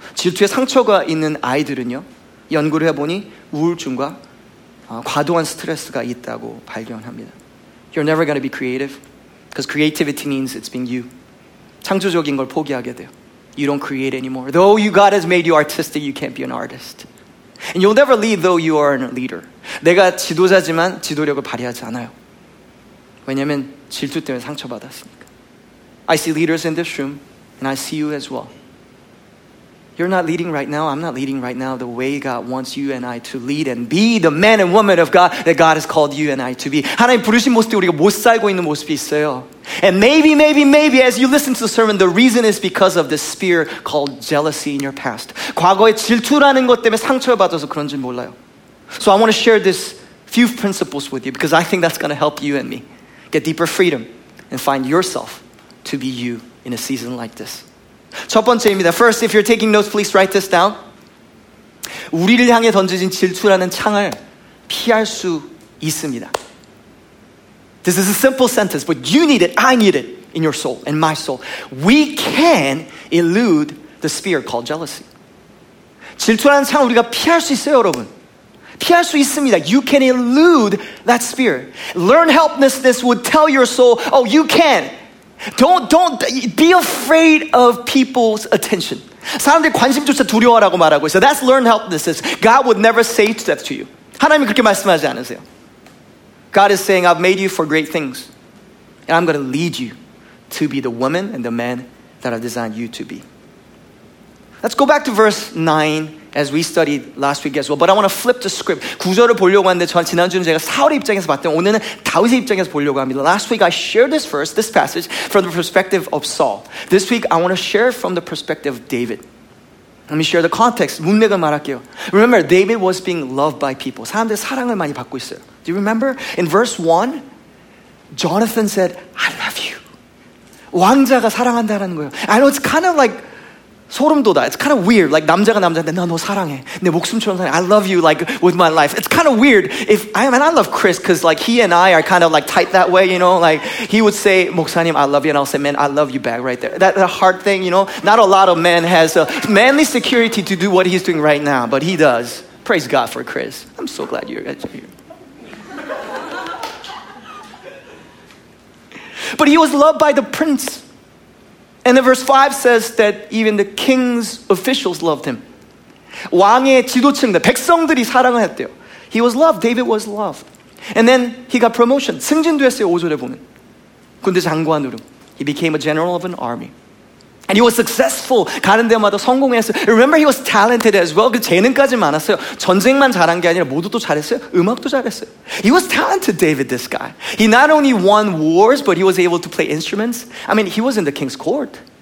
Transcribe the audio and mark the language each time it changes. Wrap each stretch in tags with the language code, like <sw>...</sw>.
<ko>질투에 상처가 있는 아이들은요. 연구를 해보니 우울증과 과도한 스트레스가 있다고 발견합니다.</ko> <en>You're never going to be creative because creativity means it's been you.</en> <ko>창조적인 걸 포기하게 돼요.</ko> <en>You don't create anymore. Though you God has made you artistic, you can't be an artist. And you'll never lead though you are a leader.</en> <ko>내가 지도자지만 지도력을 발휘하지 않아요. 왜냐면 질투 때문에 상처받았으니까.</ko> <en>I see leaders in this room and I see you as well. You're not leading right now. I'm not leading right now the way God wants you and I to lead and be the man and woman of God that God has called you and I to be.</en> <ko>하나님 부르신 모습에 우리가 못 살고 있는 모습이 있어요.</ko> <en>And maybe, maybe, maybe as you listen to the sermon, the reason is because of this spear called jealousy in your past.</en> <ko>과거에 질투라는 것 때문에 상처를 받아서 그런지 몰라요.</ko> <en>So I want to share this few principles with you because I think that's going to help you and me get deeper freedom and find yourself to be you in a season like this.</en> <ko>첫 번째입니다.</ko> <en>First, if you're taking notes, please write this down.</en> <ko>우리를 향해 던져진 질투라는 창을 피할 수 있습니다.</ko> <en>This is a simple sentence, but you need it, I need it in your soul, in my soul. We can elude the spear called jealousy.</en> <ko>질투라는 창을 우리가 피할 수 있어요, 여러분. 피할 수 있습니다.</ko> <en>You can elude that spear. Learn helplessness would tell your soul, oh, you can. Don't be afraid of people's attention.</en> <ko>사람들 관심조차 두려워라고 말하고 있어.</ko> <en>That's learned helplessness. God would never say that to you.</en> <ko>하나님이 그렇게 말씀하지 않으세요.</ko> <en>God is saying, I've made you for great things, and I'm going to lead you to be the woman and the man that I've designed you to be. Let's go back to verse 9 as we studied last week as well, but I want to flip the script.</en> <ko>구절을 보려고 하는데 전 지난주는 제가 사울의 입장에서 봤던 오늘은 다윗의 입장에서 보려고 합니다.</ko> <en>Last week I shared this verse, this passage, from the perspective of Saul. This week I want to share from the perspective of David. Let me share the context.</en> <ko>문맥을 말할게요.</ko> <en>Remember, David was being loved by people.</en> <ko>사람들 사랑을 많이 받고 있어요.</ko> <en>Do you remember? In verse 1, Jonathan said, I love you.</en> <ko>왕자가 사랑한다라는 거예요.</ko> <en>I know it's kind of like</en> <ko>소름돋아.</ko> <en>It's kind of weird. Like</en> <ko>남자가 남자한테 나 너 사랑해. 내 목숨처럼 사랑해.</ko> <en>I love you like with my life. It's kind of weird. If I mean, I love Chris because like he and I are kind of like tight that way, you know. Like he would say, 목사님, I love you. And I'll say, man, I love you back right there. That's a hard thing, you know. Not a lot of men has a manly security to do what he's doing right now. But he does. Praise God for Chris. I'm so glad you're here. But he was loved by the prince. And then verse 5 says that even the king's officials loved him.</en> <ko>왕의 지도층들, 백성들이 사랑을 했대요.</ko> <en>He was loved. David was loved. And then he got promotion.</en> <ko>승진됐어요, 5절에 보면. 군대 장관으로.</ko> <en>He became a general of an army. And he was successful.</en> <ko>가는 데마다 성공했어요.</ko> <en>Remember, he was talented as well.</en> <ko>그 재능까지 많았어요. 전쟁만 잘한 게 아니라 모두 또 잘했어요. 음악도 잘했어요.</ko> <en>He was talented, David, this guy. He not only won wars, but he was able to play instruments. I mean, he was in the king's court.</en>